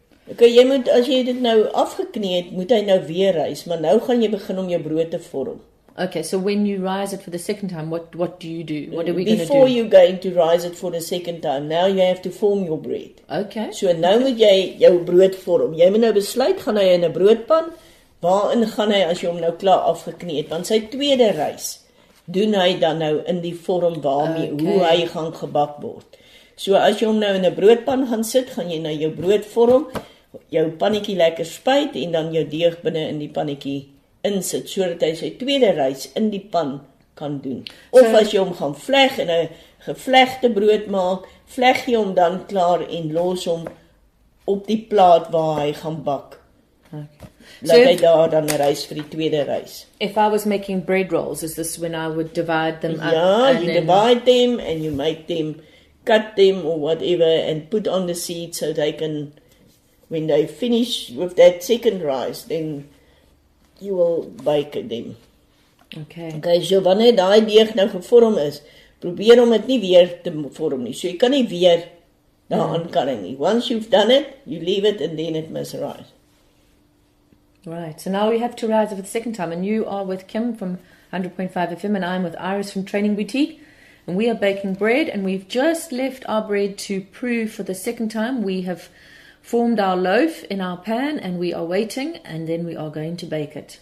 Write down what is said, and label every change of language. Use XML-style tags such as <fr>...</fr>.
<af>Okay, jy moet, as jy dit nou afgeknie het, moet hy nou weer rise, maar nou gaan jy begin om jou brood te vorm.</af> <en>Okay, so when you rise it for the second time, what do you do? What are we going to Before you're going to rise it for the second time, now you have to form your bread. Okay.</en> <af>So nou moet jy jou brood vorm. Jy moet nou besluit, gaan hy in 'n broodpan, waarin gaan hy as jy hom nou klaar afgeknie het, want sy tweede rise, doen hy dan nou in die vorm waarmee, okay, hoe hy gaan gebak word. So as jy hom nou in 'n broodpan gaan sit, gaan jy nou jou brood vorm, jou pannetjie lekker spuit en dan jou deeg binne in die pannetjie insit, so dat hy sy tweede rys in die pan kan doen. Of so, as jy hom gaan vleg en 'n gevlegde brood maak, vleg jy hom dan klaar en los hom op die plaat waar hy gaan bak. Okay. Laat hy daar dan rys vir die tweede rys.</af> <en>If I was making bread rolls, is this when I would divide them up? Ja, you divide them and you make them, cut them or whatever and put on the seed so they can, when they finish with that second rise, then you will bake them. Okay.</en> <af>Okay, so wanneer daai deeg nou gevorm is, probeer om dit nie weer te vorm nie. So jy kan nie weer daaraan kan nie.</af> <en>Once you've done it, you leave it and then it must rise. Right, so now we have to rise for the second time and you are with Kim from 100.5 FM and I'm with Iris from Training Boutique. And we are baking bread, and we've just left our bread to prove for the second time. We have formed our loaf in our pan, and we are waiting, and then we are going to bake it.</en>